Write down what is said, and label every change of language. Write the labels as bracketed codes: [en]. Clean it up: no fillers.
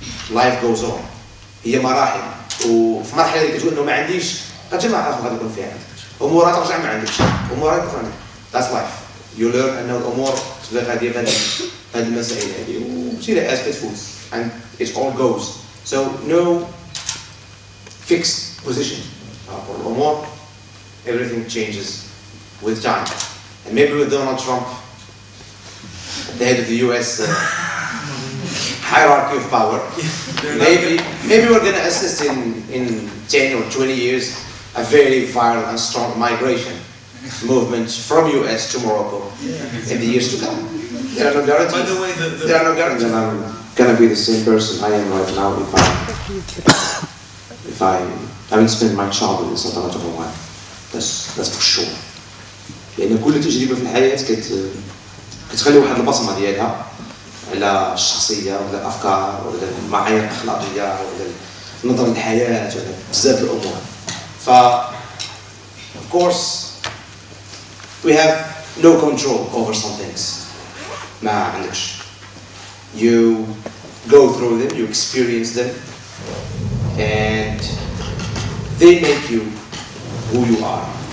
[en] Life goes on. [ar] هي مراحل، وفي مرحلة اللي كتقول إنه ما عنديش، قتجمع آخر غادي يكون فيها عندك، أمور ترجع ما عندكش، أمور غادي يكون عندك. [en] That's life. You learn [ar] أن الأمور تبقى غادي يبدل هذه المسائل هذه، وبتصير [en] as it goes. And it all goes. So no fixed position for الأمور. Everything changes with time. And maybe with Donald Trump, the head of the U.S. hierarchy of power, maybe we're going to assist in 10 or 20 years a very viral and strong migration movement from U.S. to Morocco in the years to come. There are no guarantees. By the way, there are no guarantees. And I'm going to be the same person I am right now if I haven't spent my childhood in South Africa for a while. That's for sure. [ar] لأن كل تجربة في الحياة كتخلي واحد البصمة ديالها على الشخصية ولا الأفكار ولا المعايير الأخلاقية ولا النظر للحياة ولا بزاف الأمور. [en] ف of course we have no control over some things. [ar] ما عندكش. [en] You go through them, you experience them and they make you who you are.